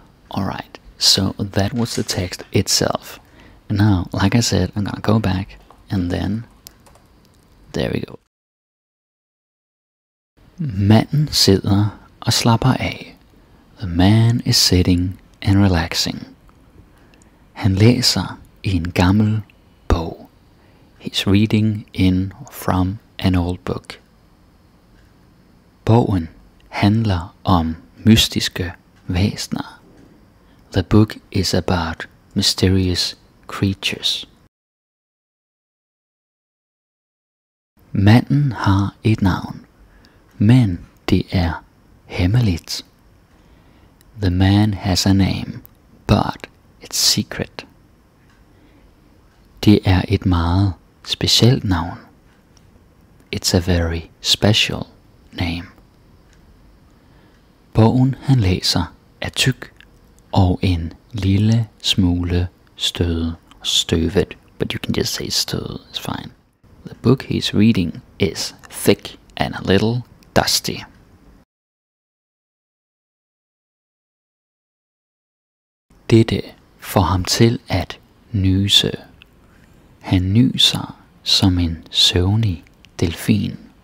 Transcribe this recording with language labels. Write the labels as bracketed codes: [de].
[en] Alright, so that was the text itself. And now, like I said, I'm gonna go back and then, there we go. [da] Manden sidder og slapper af. [en] The man is sitting and relaxing. [da] Han læser i en gammel bog. [en] He's reading in from an old book. [da] Bogen handler om mystiske væsner. [en] The book is about mysterious creatures. [da] Manden har et navn, men det er hemmeligt. [en] The man has a name, but it's secret. [da] Det er et meget specielt navn. [en] It's a very special name. [da] Bogen han læser er tyk og en lille smule støvet. [en] But you can just say støvet, it's fine. The book he's reading is thick and a little dusty. [da] Dette får ham til at nyse. Han nyser som en søvnig delfin.